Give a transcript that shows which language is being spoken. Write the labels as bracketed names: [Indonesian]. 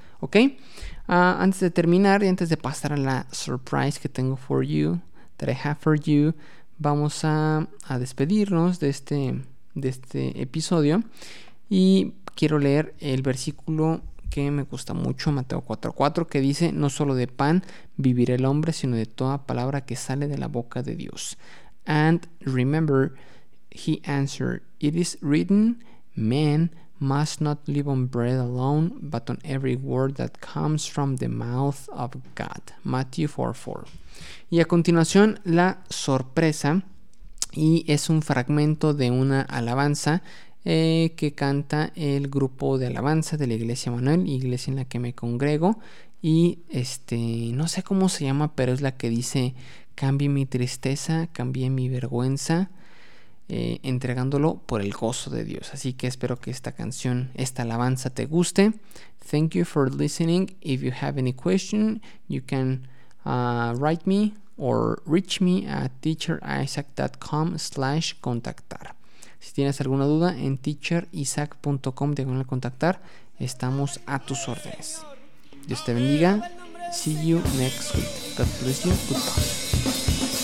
[Spanish] ¿Ok? Antes de terminar y antes de pasar a la surprise que tengo [English] for you, that I have for you, [Spanish] vamos a despedirnos de este episodio. Y quiero leer el versículo que me gusta mucho, Mateo 4:4, que dice, no solo de pan vivirá el hombre, sino de toda palabra que sale de la boca de Dios. [English] And remember, he answered, it is written, man must not live on bread alone, but on every word that comes from the mouth of God. [Spanish] Mateo 4:4. Y a continuación, la sorpresa, y es un fragmento de una alabanza que canta el grupo de alabanza de la Iglesia Manuel, iglesia en la que me congrego, y no sé cómo se llama, pero es la que dice, cambie mi tristeza, cambie mi vergüenza, entregándolo por el gozo de Dios. Así que espero que esta canción, esta alabanza, te guste. [English] Thank you for listening. If you have any question, you can write me or reach me at teacherisaac.com/contactar. [Spanish] Si tienes alguna duda, en teacherisaac.com/contactar estamos a tus órdenes. Dios te bendiga. [English] See you next week. God bless you. Goodbye.